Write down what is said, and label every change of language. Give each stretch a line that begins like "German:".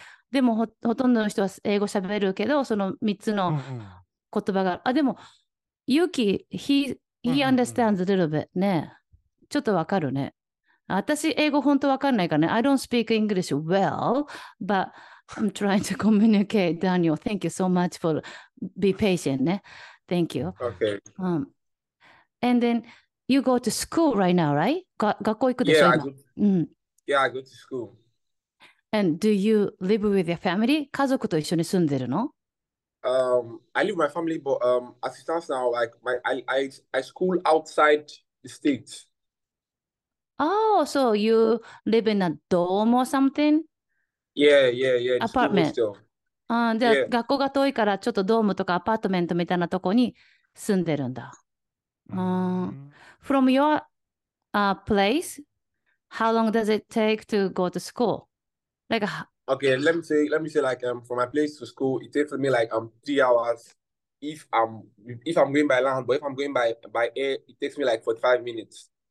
Japanese: でも ほとんどの人は英語喋るけど、その三つの言葉がある。あ、でもユキ、
English: he understands a little bit
Japanese: ね。ちょっとわかるね。私英語本当わかんないからね。
English: I don't speak English well, but I'm trying to communicate, Daniel. Thank you so much for be patient, ne? Thank you. Okay. And then you go to school right now, right?
Japanese: 学校行くでしょ?
English: Yeah, I go to school. And do you live with your family?
Japanese: 家族と一緒に住んでるの?
English: I live with my family, but as it stands now, like I school outside the state. Oh, so you live in a dorm or something? Yeah. Apartment.
Japanese: じゃあ、学校が遠いから、ちょっとドームとかアパートメントみたいなとこに住んでるんだ。
English: From your place, how long does it take to go to school? Okay, let me say, like, from my place to school, it takes me like 3 hours. if I'm going by land, but if I'm going by air, it takes me like 45 minutes.